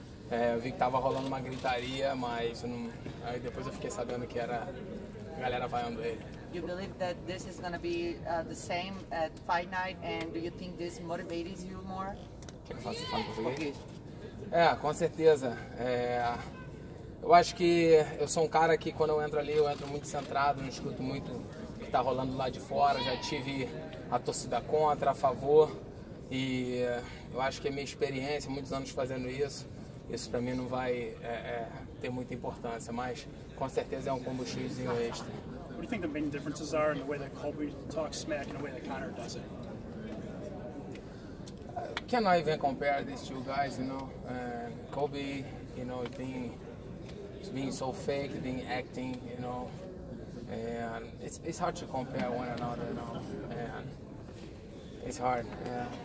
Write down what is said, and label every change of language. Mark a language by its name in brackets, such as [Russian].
[Portuguese] É, eu vi que estava rolando uma gritaria, mas eu não... aí depois eu fiquei sabendo que era a galera vaiando ele. [English] You believe that this is gonna be the same at fight night, and do you think this motivates you more? [Portuguese] Quer que eu faça falar português? É, com certeza. É, eu acho que eu sou um cara que quando eu entro ali, eu entro muito centrado, não escuto muito o que está rolando lá de fora. Já tive a torcida contra, a favor, e eu acho que a minha experiência, muitos anos fazendo isso, isso para mim não vai ter muita importância, mas com certeza é um combustívelzinho extra. [English] What do you think the main differences are in the way that Colby talks smack and the way that Connor does it? Can I even compare these two guys, you know? Colby, you know, being so fake, being acting, you know. And it's hard to compare one another, you know. And it's hard, yeah.